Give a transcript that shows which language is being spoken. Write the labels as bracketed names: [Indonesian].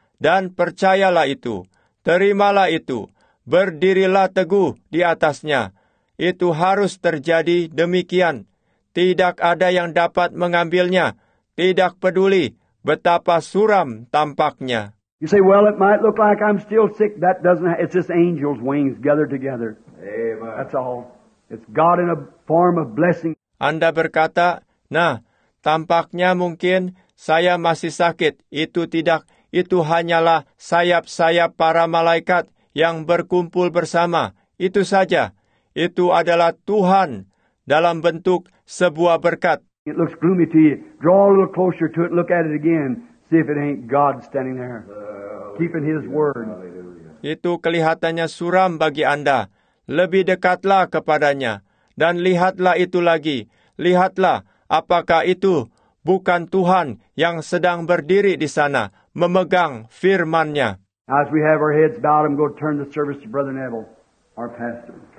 [Indonesian] Dan percayalah itu. Terimalah itu. Berdirilah teguh di atasnya. Itu harus terjadi demikian. Tidak ada yang dapat mengambilnya. Tidak peduli betapa suram tampaknya. [English] You say, well, it might look like I'm still sick. That doesn't. It's just angels' wings gathered together. Amen. That's all. It's God in a form of blessing. [Indonesian] Anda berkata, nah, tampaknya mungkin saya masih sakit. Itu tidak. Itu hanyalah sayap-sayap para malaikat yang berkumpul bersama. Itu saja. Itu adalah Tuhan dalam bentuk sebuah berkat. [English] It looks gloomy to you. Draw a little closer to it. Look at it again. See if it ain't God standing there. Keeping His word. [Indonesian] Itu kelihatannya suram bagi Anda. Lebih dekatlah kepadanya. Dan lihatlah itu lagi. Lihatlah apakah itu bukan Tuhan yang sedang berdiri di sana, memegang firman-Nya. [English] As we have our heads bowed, I'm going to turn the service to Brother Neville, our pastor.